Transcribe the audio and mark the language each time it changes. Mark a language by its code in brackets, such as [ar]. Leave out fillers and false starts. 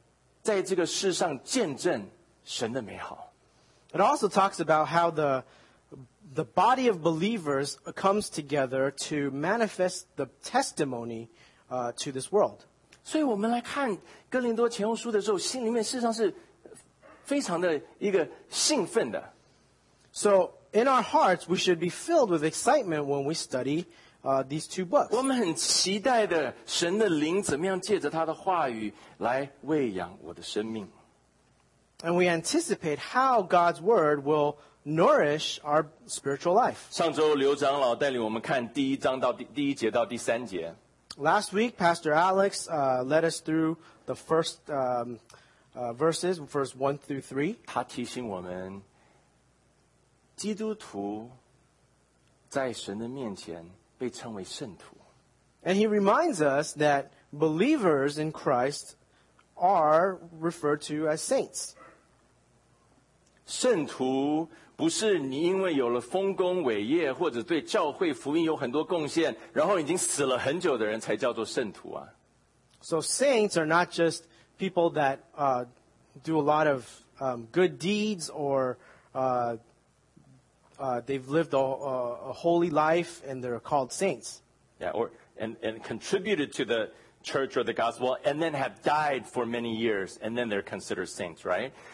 [zh] 同样的讲到，当信徒们聚集在一起，成为主耶稣基督的身体，成为教会的时候，是一个有怎么样一个呈现，能够在这个世上见证神的美好。 [en] It also talks about how the body of believers comes together to manifest the testimony to this world. [zh] 所以我们来看哥林多前后书的时候，心里面事实上是非常的一个兴奋的。 [en] So, in our hearts, we should be filled with excitement when we study these two books. [zh] 我们很期待的神的灵怎么样借着他的话语来喂养我的生命。 [en] And we anticipate how God's Word will nourish our spiritual life. [zh] 上周刘长老带领我们看第一节到第三节。 [en] Last week, Pastor Alex led us through the first verses, verse 1 through 3. [zh] 他提醒我们, 基督徒在神的面前被称为圣徒。 [en] And he reminds us that believers in Christ are referred to as saints. [zh] 圣徒不是你因为有了丰功伟业或者对教会福音有很多贡献，然后已经死了很久的人才叫做圣徒啊。 [en] So saints are not just people that do a lot of good deeds or they've lived a holy life and they're called saints. Yeah, or and contributed to the church or the gospel and then have died for many years and then they're considered saints, right?